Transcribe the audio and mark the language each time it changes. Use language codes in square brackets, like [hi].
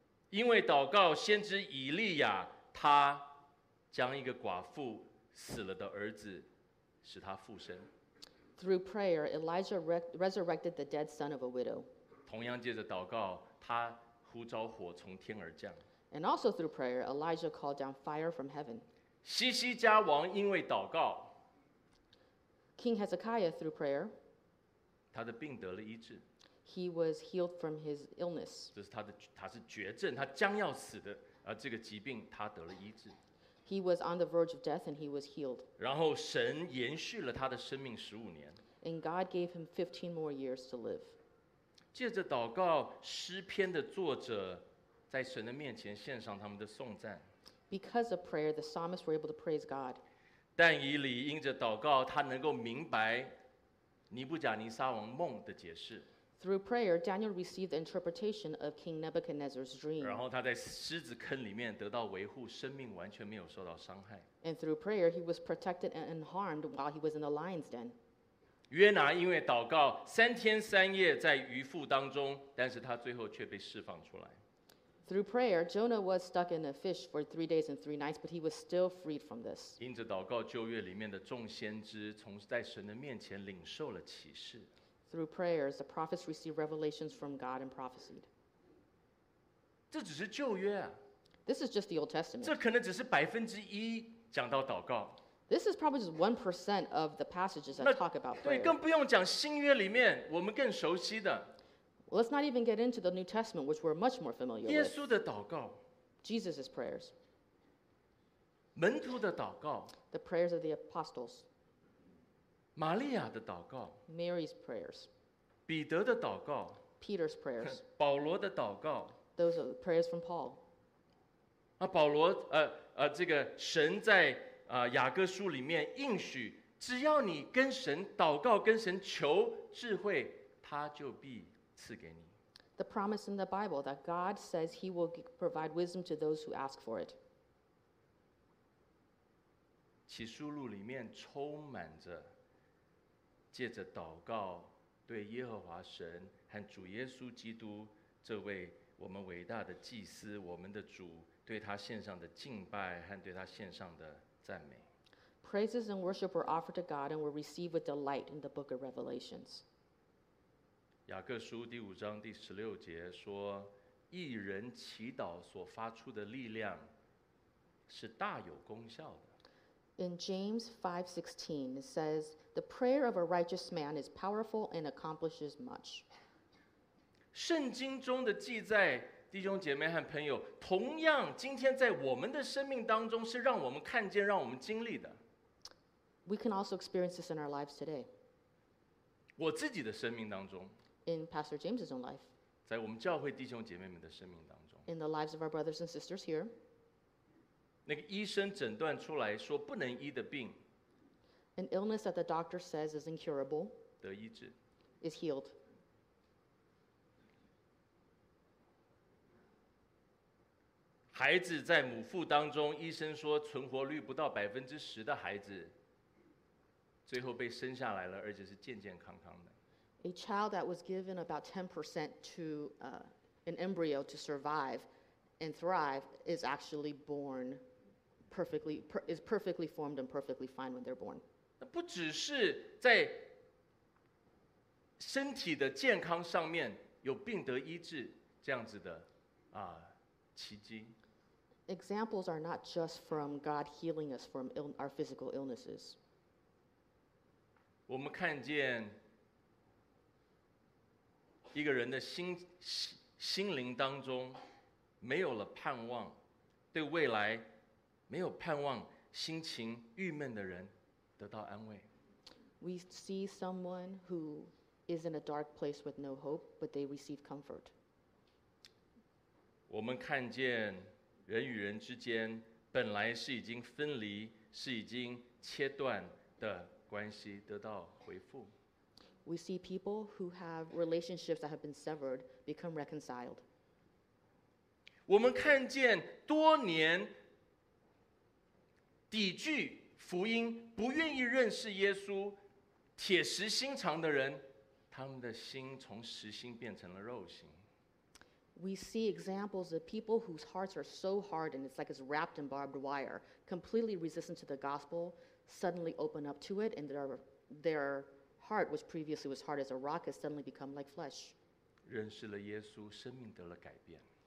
[zh] 因为祷告，先知以利亚他将一个寡妇死了的儿子使他复生。 [en] Through prayer, Elijah resurrected the dead son of a widow. [zh] 同样借着祷告，他呼召火从天而降。 [en] And also through prayer, Elijah called down fire from heaven. [zh] 西西家王因为祷告 [en] ，King Hezekiah through prayer, [zh] 他的病得了医治。 [en] He was healed from his illness. [zh] 这是他的，他是绝症，他将要死的，而这个疾病他得了医治。 [en] He was on the verge of death and he was healed. [zh] 然后神延续了他的生命十五年。 [en] And God gave him 15 more years to live. [zh] 借着祷告，诗篇的作者在神的面前献上他们的颂赞。 [en] Because of prayer, the psalmists were able to praise God. [zh] 但以理因着祷告，他能够明白尼布甲尼撒王梦的解释。 [en] Through prayer, Daniel received the interpretation of King Nebuchadnezzar's dream. [zh] 然后他在狮子坑里面得到维护，生命完全没有受到伤害。 [en] And through prayer, he was protected and unharmed while he was in the lion's den. [zh] 约拿因为祷告三天三夜在鱼腹当中，但是他最后却被释放出来。 [en] Through prayer, Jonah was stuck in a fish for 3 days and 3 nights, but he was still freed from this. [zh] 因着祷告，旧约里面的众先知从在神的面前领受了启示。 [en] Through prayers, the prophets received revelations from God and prophesied. [zh] 这只是旧约啊。 [en] This is just the Old Testament. [zh] 这可能只是百分之一讲到祷告。 [en] This is probably just 1% of the passages that talk about prayer. [zh] 对，更不用讲新约里面我们更熟悉的。 [en] Well, let's not even get into the New Testament, which we're much more familiar with. [zh] 耶稣的祷告。 [en] Jesus' prayers. [zh] 门徒的祷告。 [en] The prayers of the apostles. [zh] 玛利亚的祷告 [en] ，Mary's prayers， [zh] 彼得的祷告 [en] ，Peter's prayers， [zh] 保罗的祷告 [en] ，Those are prayers from Paul。 [zh] 啊，保罗，这个神在雅各书里面应许，只要你跟神祷告，跟神求智慧，他就必赐给你。 [en] The promise in the Bible that God says He will provide wisdom to those who ask for it。 [zh] 启示录里面充满着。借着祷告，对耶和华神和主耶稣基督这位我们伟大的祭司，我们的主，对他献上的敬拜和对他献上的赞美。 [en] Praises and worship were offered to God and were received with delight in the book of Revelations. [zh] 雅各书第五章第十六节说，一人祈祷所发出的力量是大有功效的。 [en] In James 5:16, it says, "The prayer of a righteous man is powerful and accomplishes much." [zh] 圣经中的记载，弟兄姐妹和朋友，同样今天在我们的生命当中，是让我们看见、让我们经历的。 [en] We can also experience this in our lives today. [zh] 我自己的生命当中。 [en] In Pastor James's own life. [zh] 在我们教会弟兄姐妹们的生命当中。 [en] In the lives of our brothers and sisters here. [zh] 那个医生诊断出来说不能医的病 [en] ，An illness that the doctor says is incurable， [zh] 得医治 [en] ，is healed。 [zh] 孩子在母腹当中，医生说存活率不到10%的孩子，最后被生下来了，而且是健健康康的。 [en] A child that was given about 10% to an embryo to survive and thrive is actually born. Is perfectly formed and perfectly fine when they're born. [zh] 那不只是在身体的健康上面有病得医治这样子的啊奇迹。 [en] Examples are not just from God healing us from our physical illnesses. [zh] 我们看见一个人的心灵当中没有了盼望，对未来。没有盼望，心情郁闷的人得到安慰。 [en] We see someone who is in a dark place with no hope, but they receive comfort. [zh] 我们看见人与人之间本来是已经分离、是已经切断的关系得到恢复。 [en] We see people who have relationships that have been severed become reconciled. [zh] 我们看见多年抵拒福音，不愿意认识耶稣，铁石心肠的人，他们的心从石心变成了肉心。 [en] We see examples of people whose hearts are so hard and it's like it's wrapped in barbed wire, completely resistant to the gospel, suddenly open up to it, and their heart, which previously was hard as a rock, has suddenly become like flesh. [zh] 认识了耶稣，生命得了改变。